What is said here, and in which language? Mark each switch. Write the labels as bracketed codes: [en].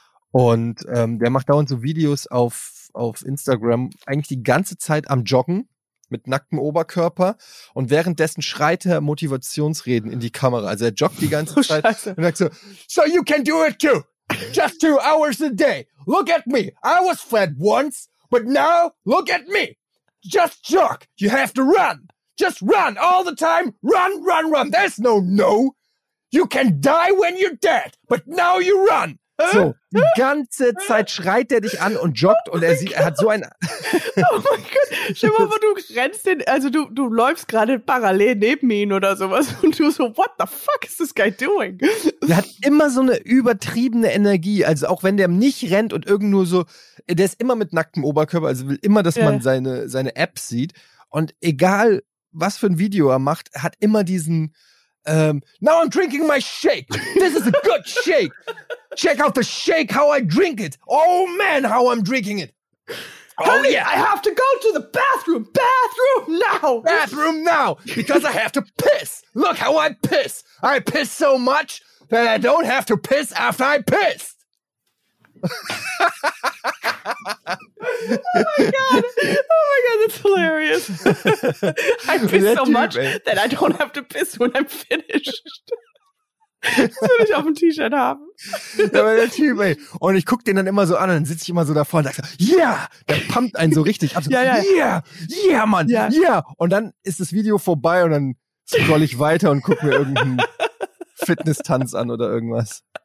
[de] Und der macht dauernd so Videos auf Instagram, eigentlich die ganze Zeit am Joggen mit nacktem Oberkörper. Und währenddessen schreit er Motivationsreden in die Kamera. Also er joggt die ganze Zeit und sagt so, [en] so you can do it too. Just 2 hours a day. Look at me. I was fat once, but now look at me. Just jog. You have to run. Just run all the time. Run, run, run. There's no no. You can die when you're dead, but now you run. [de] So, die ganze Zeit schreit er dich an und joggt und er hat so ein... Oh mein Gott, stell mal vor, du rennst den, also du läufst gerade parallel neben ihn oder sowas und du so, [en] what the fuck is this guy doing? [de] Der hat immer so eine übertriebene Energie, also auch wenn der nicht rennt und irgend nur so, der ist immer mit nacktem Oberkörper, also will immer, dass man seine Abs sieht und egal, was für ein Video er macht, hat immer diesen [en] Now I'm drinking my shake. This is a good shake. Check out the shake, how I drink it. Oh man, how I'm drinking it. Honey, oh, yeah. I have to go to the bathroom. Bathroom now. Bathroom now. Because I have to piss. Look how I piss. I piss so much that I don't have to piss after I piss. Oh my god. Oh my god, that's hilarious. I piss so much that I don't have to piss when I'm finished. [de] Das würde ich auf dem T-Shirt haben. Ja, aber der Typ, ey. Und ich gucke den dann immer so an und dann sitze ich immer so davor und sage, yeah! Der pumpt einen so richtig ab. So, ja, ja. Yeah! Yeah, Mann! Ja. Yeah! Und dann ist das Video vorbei und dann scroll ich weiter und gucke mir irgendeinen Fitness-Tanz an oder irgendwas.